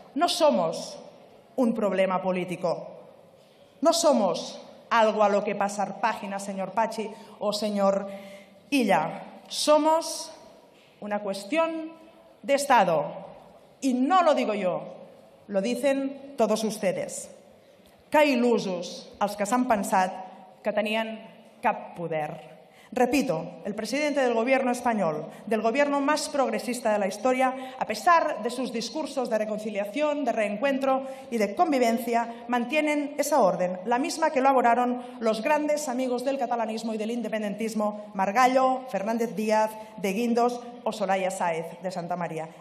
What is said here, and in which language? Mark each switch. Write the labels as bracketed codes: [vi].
[es] No somos un problema político. No somos algo a lo que pasar página, señor Pachi o señor Illa. Somos una cuestión de Estado. Y no lo digo yo, lo dicen todos ustedes. [ca] Que il·lusos els que s'han pensat que tenien cap poder. [es] Repito, el presidente del gobierno español, del gobierno más progresista de la historia, a pesar de sus discursos de reconciliación, de reencuentro y de convivencia, mantienen esa orden, la misma que elaboraron los grandes amigos del catalanismo y del independentismo, Margallo, Fernández Díaz, de Guindos o Soraya Sáez de Santa María.